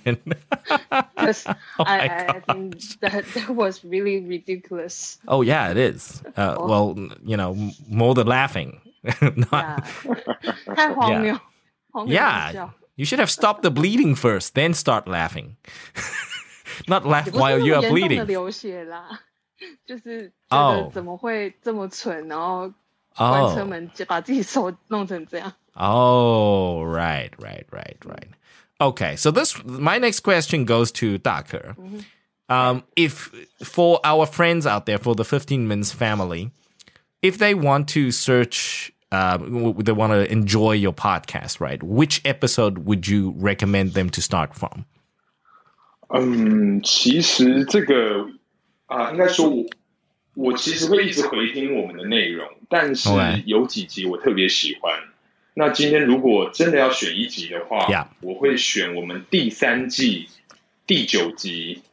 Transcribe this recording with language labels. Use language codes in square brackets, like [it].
[en] Oh, I think that was really ridiculous. Oh, yeah, it is. Well, you know, more than laughing. Not, [zh] yeah. 太荒谬。 [en] Yeah, you should have stopped the bleeding first, then start laughing. Not laugh while you are bleeding. [zh] 也不是那么严重的流血啦。就是觉得怎么会这么蠢，然后关车门就把自己手弄成这样。 [en] Oh, right. Okay, so my next question goes to Daker. If for our friends out there, for the 15 Minutes family, if they want to search, they want to enjoy your podcast, right? Which episode would you recommend them to start from? [zh] 其实这个应该说我其实会一直回听我们的内容，但是有几集我特别喜欢。那今天如果真的要选一集的话， [en] yeah. [zh] 我会选我们第三季第九集